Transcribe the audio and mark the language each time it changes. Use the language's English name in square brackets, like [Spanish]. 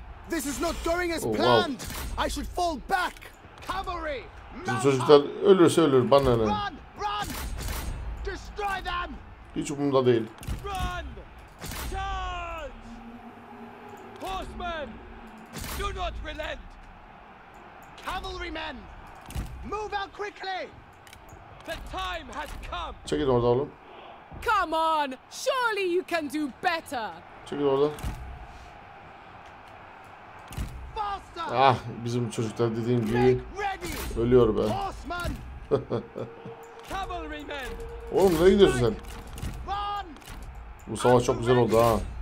[English] This is not going as planned. I should fall back. Cavalry. [Turkish] Bu çocuklar ölürse ölür bana ne. [English] Destroy them. [Turkish] Hiç umurumda değil. [English] Run. Charge. Horsemen. Do not relent. Cavalrymen. Move out quickly. The time has come. [Turkish] Çekil orada oğlum. [English] Come on. Surely you can do better. [Turkish] Çekil orada. Ah bizim çocuklar dediğim gibi ölüyor be. Oğlum nereye gidiyorsun sen? Bu savaş çok güzel oldu ha.